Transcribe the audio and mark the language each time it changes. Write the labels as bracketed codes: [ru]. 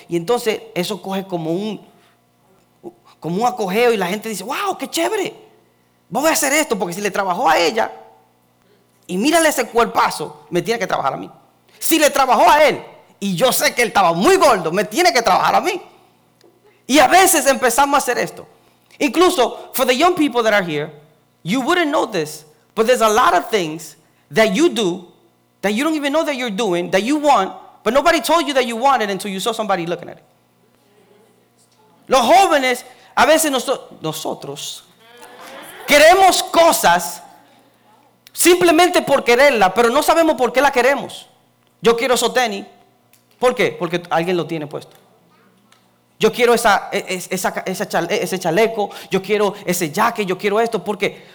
[es] Y entonces eso coge como un acogeo y la gente dice, wow, qué chévere, voy a hacer esto. Porque si le trabajó a ella y mírale ese cuerpazo, me tiene que trabajar a mí. Si le trabajó a él y yo sé que él estaba muy gordo, me tiene que trabajar a mí. Y a veces empezamos a hacer esto. [en] Incluso, for the young people that are here, you wouldn't know this, but there's a lot of things that you do that you don't even know that you're doing, that you want, but nobody told you that you wanted until you saw somebody looking at it. [es] Los jóvenes, a veces nosotros queremos cosas simplemente por quererla, pero no sabemos por qué la queremos. Yo quiero esos tenis. ¿Por qué? Porque alguien lo tiene puesto. Yo quiero ese chaleco, yo quiero ese jacket, yo quiero esto. ¿Por qué?